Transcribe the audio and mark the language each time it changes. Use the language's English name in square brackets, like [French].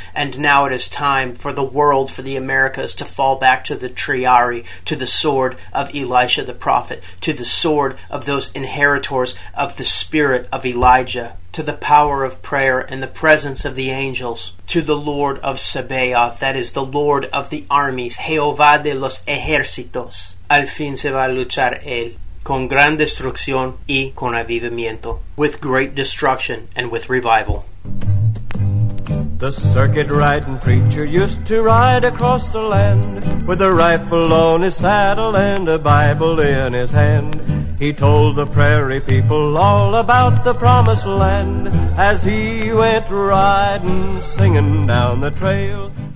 [English] And now it is time for the world, for the Americas, to fall back to the triari, to the sword of Elisha the prophet, to the sword of those inheritors of the spirit of Elijah, to the power of prayer and the presence of the angels, to the Lord of Sabaoth, that is the Lord of the armies, [Spanish] Jehovah de los ejércitos. Al fin se va a luchar él, con gran destrucción y con avivamiento, [English] with great destruction and with revival. The circuit riding preacher used to ride across the land with a rifle on his saddle and a Bible in his hand. He told the prairie people all about the promised land as he went riding, singing down the trail.